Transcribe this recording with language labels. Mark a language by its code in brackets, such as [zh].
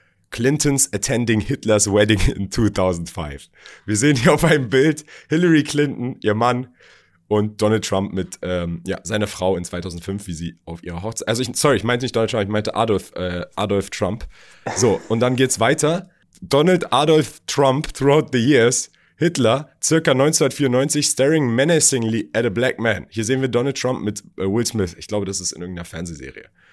[en] Clintons attending Hitler's wedding in 2005. [de] Wir sehen hier auf einem Bild Hillary Clinton, ihr Mann, und Donald Trump mit seiner Frau in 2005, wie sie auf ihrer Hochzeit. Also, ich meinte nicht Donald Trump, ich meinte Adolf Trump. So, und dann geht's weiter. [en] Donald Adolf Trump throughout the years. Hitler, circa 1994, staring menacingly at a black man. [de] Hier sehen wir Donald Trump mit Will Smith. Ich glaube, das ist in irgendeiner Fernsehserie.